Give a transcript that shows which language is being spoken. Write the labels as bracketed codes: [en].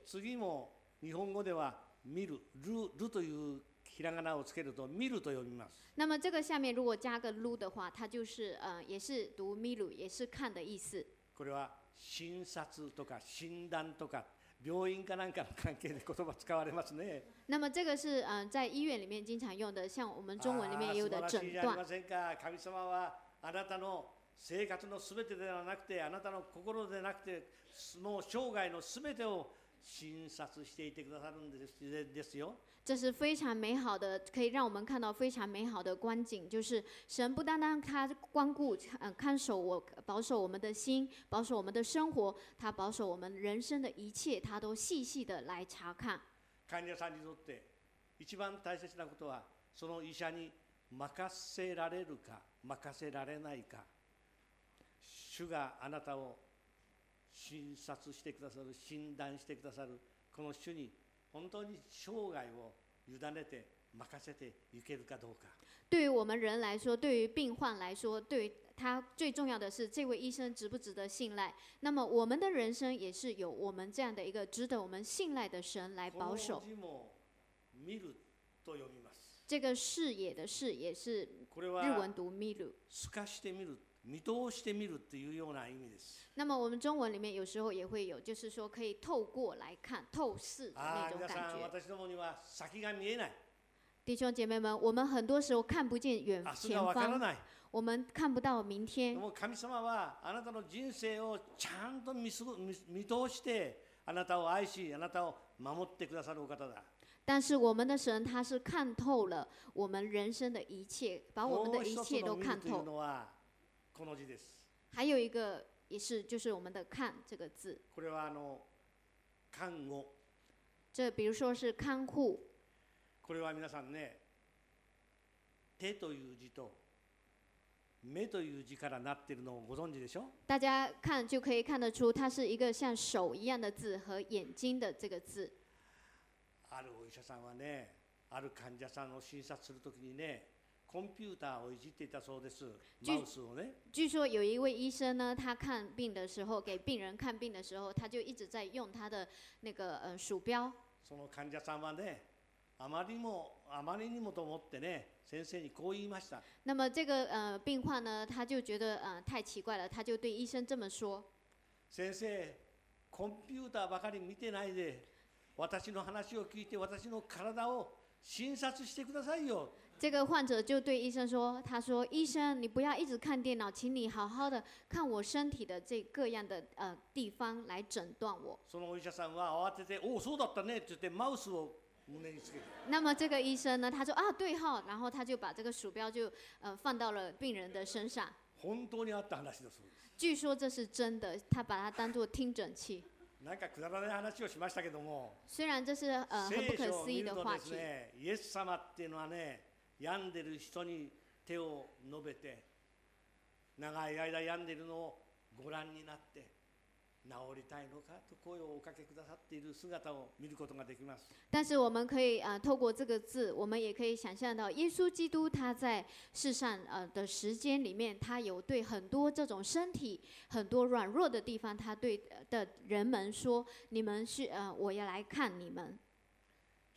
[ja] 次も日本語では見る、るというひらがなをつけると見ると読みます。 [zh] 那么这个下面如果加个撸的话，它就是也是读見る，也是看的意思。 [ja] これは診察とか診断とか病院かなんかの関係で言葉使われますね。 [zh] 那么这个是在医院里面经常用的，像我们中文里面也有的诊断。 [ja] 素晴らしいじゃありませんか。神様はあなたの生活のすべてではなくて、あなたの心でなくて、もう生涯のすべてを診察していてくださるんですよ。 [zh] 这是非常美好的，可以让我们看到非常美好的观景，就是神不单单他光顾看守我，保守我们的心，保守我们的生活，他保守我们人生的一切，他都细细的来查看。 [ja] 患者さんにとって一番大切なことは、その医者に任せられるか任せられないか、主があなたを診察してくださる、診断してくださる、この主に本当に生涯を委ねて任せていけるかどうか。 [zh] 对于我们人来说，对于病患来说，对于他最重要的是这位医生值不值得信赖。那么我们的人生也是有我们这样的一个值得我们信赖的神来保守。 [ja] この字も見ると読みます。 [zh] 这个视野的视也是日文读見る。 [ja] 透かして見る。見通してみるというような意味です。 [zh] 那么我们中文里面有时候也会有，就是说可以透过来看、透视的那种感觉。 [ja] 皆さん、私どもには先が見えない。 [zh] 弟兄姐妹们，我们很多时候看不见远前方。 [ja] 明日がわからない。 [zh] 我们看不到明天。 [ja] でも神様はあなたの人生をちゃんと見通して、あなたを愛し、あなたを守ってくださるお方だ。 [zh] 但是我们的神他是看透了我们人生的一切，把我们的一切都看透。 [ja] この字です。 [zh] 还有一个也是就是我们的看这个字。 [ja] これはあの看護。 [zh] 这比如说是看护。 [ja] これは皆さんね、手という字と目という字からなってるのをご存知でしょ？ [zh] 大家看就可以看得出，它是一个像手一样的字和眼睛的这个字。 [ja] あるお医者さんはね、ある患者さんを診察するときにね。コンピューターをいじっていたそうです。マウスをね。 [zh] 据说有一位医生呢，他看病的时候，给病人看病的时候，他就一直在用他的那个鼠标。 [ja] その患者さんはね、あまりにもと思ってね、先生にこう言いました。 [zh] 那么这个病患呢，他就觉得太奇怪了，他就对医生这么说。 [ja] 先生、コンピューターばかり見てないで、私の話を聞いて私の体を診察してくださいよ。 [zh] 这个患者就对医生说：“他说，医生，你不要一直看电脑，请你好好的看我身体的这各样的地方来诊断我。” [ja] そのお医者さんは慌てて、お、そうだったねって言ってマウスを胸につけて。 [zh] 那么这个医生呢，他说啊，对哈，然后他就把这个鼠标就放到了病人的身上。 [ja] 本当にあった話だそうです。 [zh] 据说这是真的，他把它当作听诊器。 [ja] なんかくだらない話をしましたけども。 [zh] 虽然这是很不可思议的话题。 [ja] イエス様っていうのはね。病んでる人に手を伸べて、長い間病んでるのをご覧になって、治りたいのかと声をおかけくださっている姿を見ることができます。 [zh] 但是我们可以透过这个字，我们也可以想象到耶稣基督他在世上的时间里面，他有对很多这种身体很多软弱的地方，他对的人们说：“你们是我要来看你们。”